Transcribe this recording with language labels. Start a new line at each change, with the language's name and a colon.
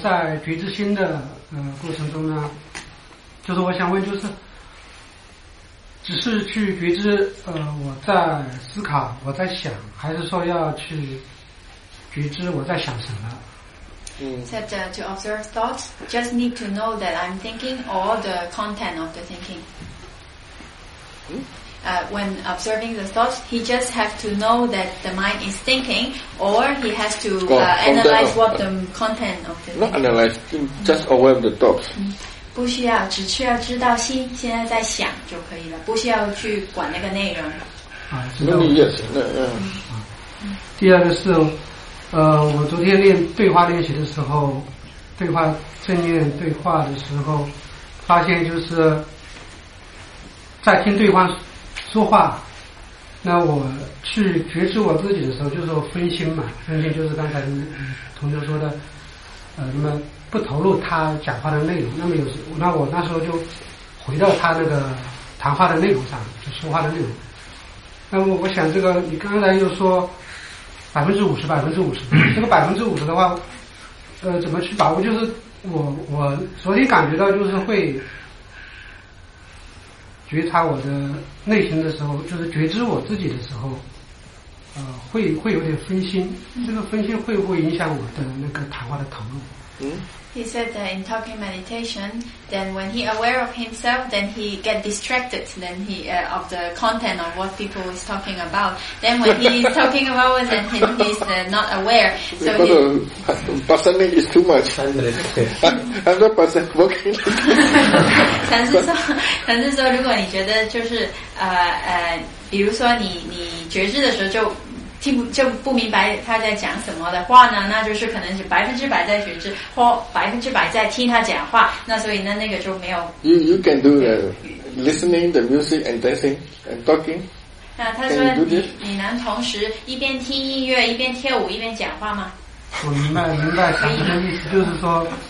Chinese: 在觉知心的过程中呢，就是我想问，就是只是去觉知我在思考，我在想，还是说要去觉知我在想什么？
English: Said to observe thoughts, just need to know that I'm thinking or the content of the thinking. When observing the thoughts, he just have to know that the mind is thinking, or he has to analyze what the content of the thinking. Not analyze, just aware of the thoughts.
Chinese: 不需要，只需要知道心现在在想就可以了，不需要去管那个内容。啊，知道。
English: Yes,
Chinese: 第二个是，我昨天练对话练习的时候，对话正念对话的时候，发现就是在听对方说话，那我去觉知我自己的时候，就是分心嘛，分心就是刚才同学说的，那么不投入他讲话的内容，那我那时候就回到他那个谈话的内容上，就说话的内容。那么我想这个，你刚才又说50%，50%，这个50%的话，怎么去把握？就是我昨天感觉到就是会。觉察我的内心的时候，就是觉知我自己的时候，会有点分心。这个分心会不会影响我的那个谈话的投入？
English: He said that in talking meditation, then when he aware of himself, then he get distracted, then he of the content of what people is talking about. Then when he is talking about it, then he's not aware. So percentage is too much. 100% working.
Chinese: 禅师说，如果你觉得就是比如说你觉知的时候就。就不明白他在讲什么的话呢，那就是可能是100%在觉知或100%在听他讲话，那所以呢那个就没有。
English: You can do the listening, the music and dancing and talking.
Chinese: 那他说你能同时一边听音乐一边跳舞一边讲话吗？我明白想的意思就是说